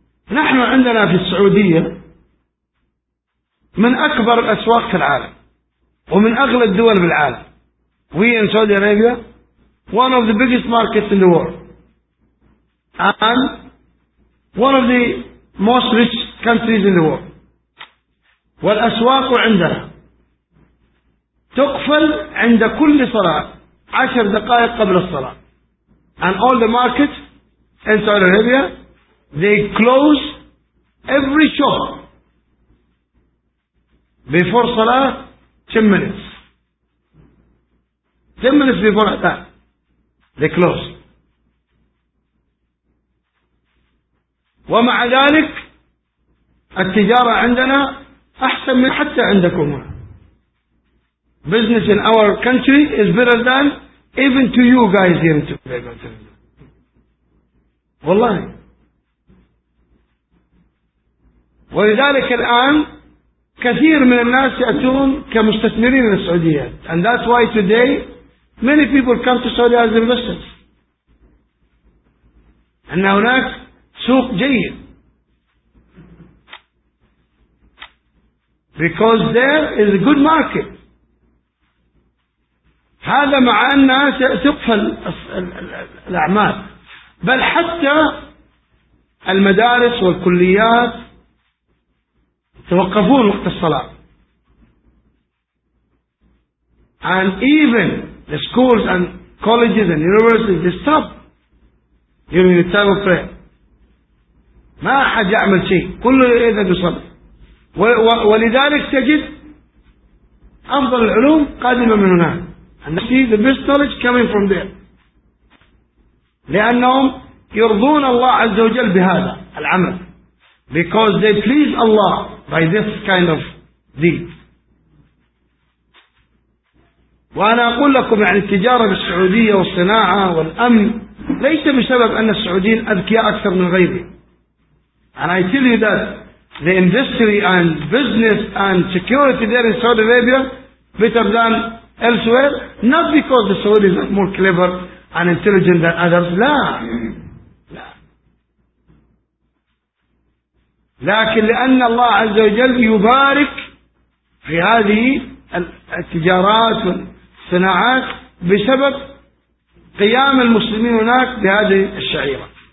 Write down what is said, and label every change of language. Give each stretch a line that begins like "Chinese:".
Arabic: نحن عندنا في السعودية من أكبر الأسواق في العالم ومن أغلى الدول بالعالم.
English: We in Saudi Arabia, one of the biggest markets in the world and one of the most rich countries in the world.
Arabic: والأسواق عندنا تقفل عند كل صلاة عشر دقائق قبل الصلاة.
English: And all the markets in Saudi Arabia, they close every shop before صلاة 10 minutes. 10 minutes before that, they close.
Arabic: ومع ذلك التجارة عندنا أحسن من حتى عندكم.
English: Business in our country is better than even to you guys here in Tunisia.
Arabic: والله. ولذلك الآن كثير من الناس يأتون كمستثمرين من السعودية.
English: And that's why today many people come to Saudi as investors.
Arabic: أن هناك سوق جيد.
English: Because there is a good market.
Arabic: هذا مع أنها تقفل الأعمال. بل حتى المدارس والكليات توقفون وقت الصلاة.
English: And even the schools and colleges and universities, they stop during the time of prayer.
Arabic: ما أحد يعمل شيء. كله إذا يصلي. ولذلك تجد أفضل العلوم قادمة من هناك.
English: And you see the best knowledge coming from there.
Arabic: لأنهم يرضون الله عز وجل بهذا العمل.
English: Because they please Allah by this kind of deed.
Arabic: وأنا أقول لكم يعني التجارة بالسعودية والصناعة والأمن ليس بسبب أن السعوديين أذكياء أكثر من غيرهم.
English: And I tell you that the industry and business and security there in Saudi Arabia better than elsewhere, not because the Saudis are more clever and intelligent than others.
Arabic: لا. لا. لكن لأن الله عز وجل يبارك في هذه التجارات والصناعات بسبب قيام المسلمين هناك بهذه الشعيرة.